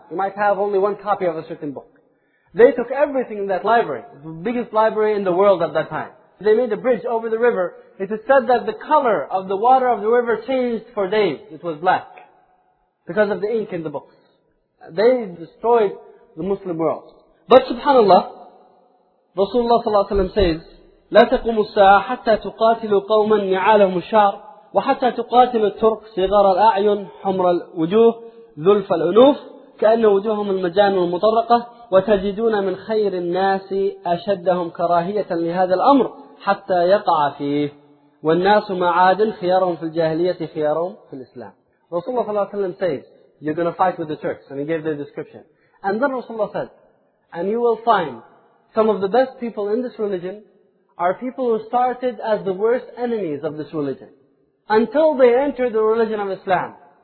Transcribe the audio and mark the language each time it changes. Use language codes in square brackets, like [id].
[en] You might have only one copy of a certain book. They took everything in that library, the biggest library in the world at that time. They made a bridge over the river. It is said that the color of the water of the river changed for days. It was black because of the ink in the books. They destroyed the Muslim world. But subhanAllah, Rasulullah sallallahu alayhi wa sallam says, [ar] لا تقوم الساعة حتى تقاتلوا قوما نعالهم الشعر وحتى تقاتلوا الترك صغار الأعين حمر الوجوه ذلف الأنوف كأن وجوههم المجان والمطرقة وتجدون من خير الناس أشدهم كراهية لهذا الأمر حتى يقع فيه والناس معادل خيارهم في الجاهلية خيارهم في الإسلام. [en] Rasulullah صلى الله عليه وسلم says, you're going to fight with the Turks, and he gave the description. And then Rasulullah said, and you will find some of the best people in this religion are people who started as the worst enemies of this religion until they entered the religion of Islam.